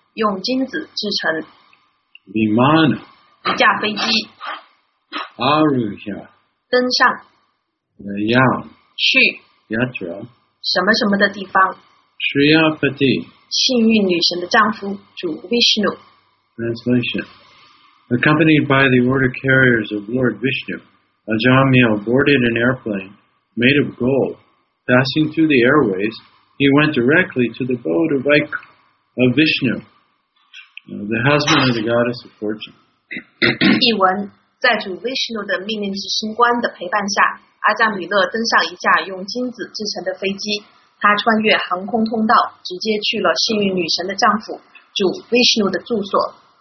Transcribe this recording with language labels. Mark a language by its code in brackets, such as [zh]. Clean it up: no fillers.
[zh] 用金子制成。 [sa] Vimana [zh] 一架飞机。 [sa] Arusha [zh] 登上。 [sa] Nayan [zh] 去。 [sa] Yatra [zh] 什么什么的地方。 [sa] Shriyapati [zh] 幸运女神的丈夫主 Vishnu。 [en] Translation: Accompanied by the order carriers of Lord Vishnu, Ajamil boarded an airplane made of gold. Passing through the airways, he went directly to the boat of Vishnu, the husband of the goddess of fortune. [zh] 译文：在主 Vishnu 的命令执行官的陪伴下，阿扎米勒登上一架用金子制成的飞机。他穿越航空通道，直接去了幸运女神的丈夫主 Vishnu 的住所。